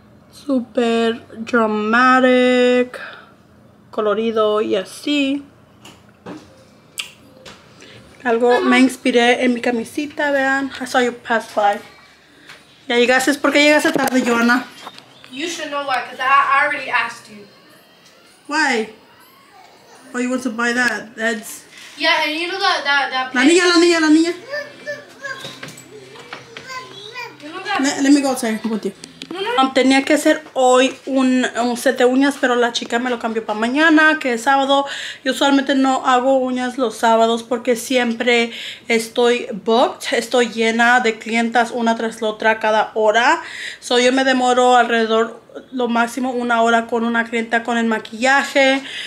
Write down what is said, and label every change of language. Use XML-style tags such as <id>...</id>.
<es>Súper dramatic, colorido y así. Algo me inspiré en mi camisita, vean.</es> <en>I saw you pass by.</en> <es>Ya llegaste, ¿por qué llegaste tarde, Johanna?</es> <en>You should know why, because I already asked you. Why? Oh, you want to buy that? That's... Yeah, and you know that...</en> <es>La niña, la niña, la niña.</es> <en>Let me go outside with you.</en> <es>Tenía que hacer hoy un set de uñas, pero la chica me lo cambió para mañana, que es sábado. Yo usualmente no hago uñas los sábados porque siempre estoy booked, estoy llena de clientas una tras la otra cada hora. So yo me demoro alrededor lo máximo una hora con una clienta con el maquillaje.</es>